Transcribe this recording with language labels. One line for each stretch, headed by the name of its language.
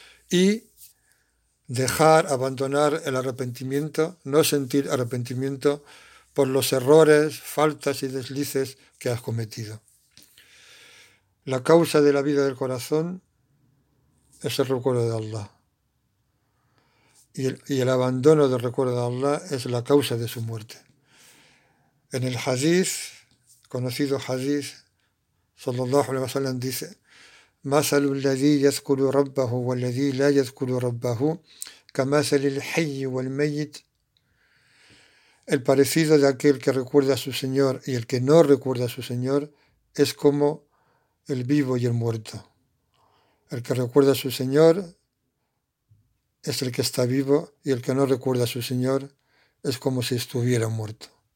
Spanish: Y dejar, abandonar el arrepentimiento, no sentir arrepentimiento por los errores, faltas y deslices que has cometido. La causa de la vida del corazón es el recuerdo de Allah. Y el abandono del recuerdo de Allah es la causa de su muerte. En el hadith, conocido hadith,
Arabic: sallallahu alaihi wasallam
Spanish: dice:
Arabic: مثل الذي يذكر ربه والذي لا يذكر ربه كمثل الحي والميت.
Spanish: El parecido de aquel que recuerda a su Señor y el que no recuerda a su Señor es como el vivo y el muerto. El que recuerda a su Señor es el que está vivo y el que no recuerda a su Señor es como si estuviera muerto.